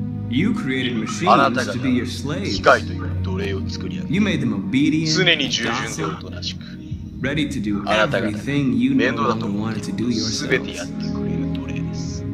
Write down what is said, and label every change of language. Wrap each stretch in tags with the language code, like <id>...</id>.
<en>You created machines to be your slaves.</en> <ja>機械という奴隷を作り上げ、</ja> <en>you made them obedient,</en> <ja>常に従順でおとなしく。</ja> <en>Ready to do everything you no longer wanted to do yourself.</en> <ja>あなた方、すべてやってくれる奴隷です。</ja>